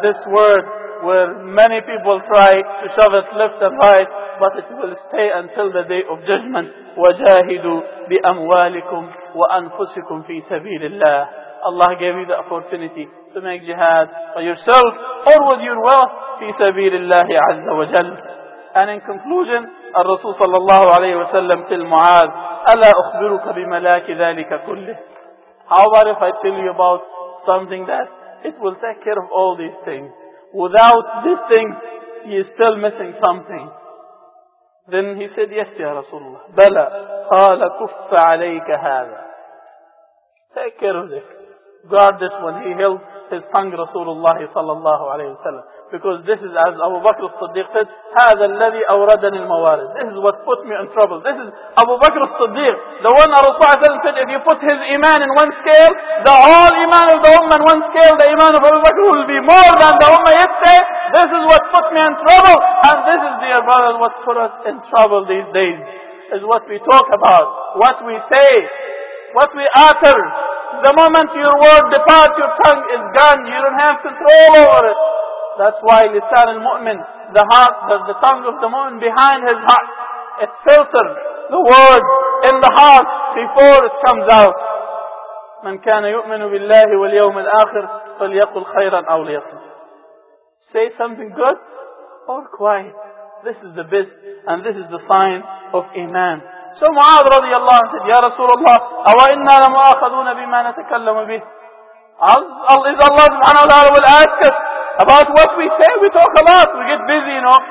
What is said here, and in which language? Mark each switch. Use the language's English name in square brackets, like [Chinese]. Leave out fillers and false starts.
[English] This word where many people try to shove it left and right, but it will stay until the day of judgment. [Arabic] وَجَاهِدُوا بِأَمْوَالِكُمْ وَأَنفُسِكُمْ فِي سَبِيلِ اللَّهِ. [English] Allah gave you the opportunity to make jihad for yourself or with your wealth [Arabic] فِي سَبِيلِ اللَّهِ عَزَّ وَجَلَّ. [English] And in conclusion, [Arabic] الرسول صلى الله عليه وسلم تل معاذ أَلَا أُخْبِرُكَ بِمَلَاكِ ذَلِكَ كُلِّهِ. [English] How about if I tell you about something that it will take care of all these things? Without these things, he is still missing something. Then he said, yes, Ya Rasulullah. [Arabic] Bala. Qala kuffa alayka hadha. [English] Take care of this. Guard this one. He held his tongue, Rasulullah sallallahu alayhi wa sallam. Because this is, as Abu Bakr as-Siddiq said, [Arabic] هذا الذي أوردني الموارد. [English] This is what put me in trouble. This is Abu Bakr as-Siddiq. The one Rasulullah said, if you put his iman in one scale, the whole iman of the ummah in one scale, the iman of Abu Bakr will be more than the ummah yesterday. This is what put me in trouble. And this is, dear brothers, what put us in trouble these days. Is what we talk about, what we say, what we utter. The moment your word departs, your tongue is gone. You don't have control over it. That's why lisan al-mu'min, the heart, the tongue of the mu'min behind his heart, it filters the word in the heart before it comes out. [Arabic] من كان يؤمن بالله واليوم الآخر فليقل خيرا أو ليصمت. [English] Say something good or quiet. This is the best and this is the sign of iman. So Mu'adh radiyallahu anhu said, [Arabic] Ya Rasulullah, awa inna la mu'akhaduna bima natakallamu bih. [English] Is Allah subhanahu wa ta'ala will ask us about what we say? We talk a lot. We get busy, you know.